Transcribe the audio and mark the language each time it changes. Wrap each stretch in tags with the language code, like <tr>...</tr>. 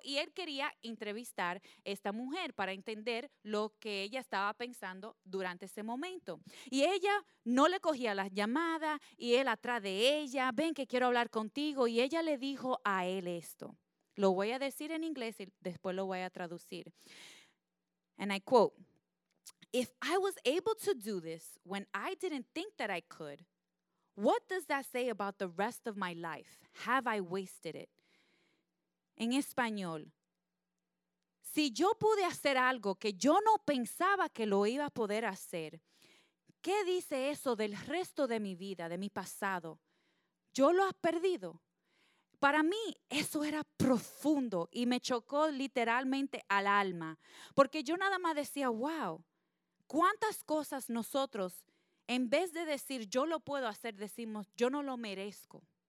<es>Y él quería entrevistar a esta mujer para entender lo que ella estaba pensando durante ese momento. Y ella no le cogía las llamadas y él atrás de ella, ven que quiero hablar contigo. Y ella le dijo a él esto. Lo voy a decir en inglés y después lo voy a traducir.</es> <en>And I quote, "If I was able to do this when I didn't think that I could, what does that say about the rest of my life? Have I wasted it?"</en> <es>En español, si yo pude hacer algo que yo no pensaba que lo iba a poder hacer, ¿qué dice eso del resto de mi vida, de mi pasado? ¿Yo lo has perdido? Para mí eso era profundo y me chocó literalmente al alma, porque yo nada más decía, wow, cuántas cosas nosotros, en vez de decir yo lo puedo hacer, decimos yo no lo merezco.</es>